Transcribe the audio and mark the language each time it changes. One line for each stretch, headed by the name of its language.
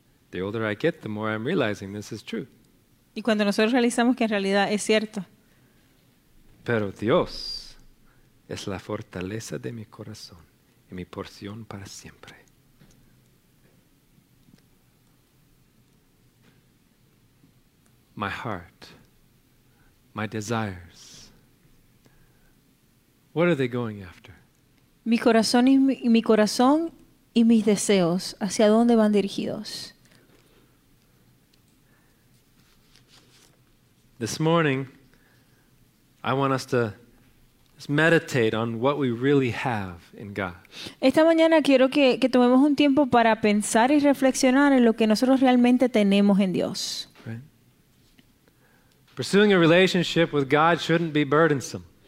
English: The older I get, the more I'm realizing this is true.
Spanish: Y cuando nosotros realizamos que en realidad es cierto. Pero Dios es la fortaleza de mi corazón y mi porción para siempre.
English: My heart, my desires. What are they going after?
Spanish: Mi corazón y mi corazón y mis deseos, ¿hacia dónde van dirigidos?
English: This morning, I want us to just meditate on what we really have in God.
Spanish: Esta mañana quiero que tomemos un tiempo para pensar y reflexionar en lo que nosotros realmente tenemos en Dios.
English: Pursuing a relationship with God shouldn't be burdensome.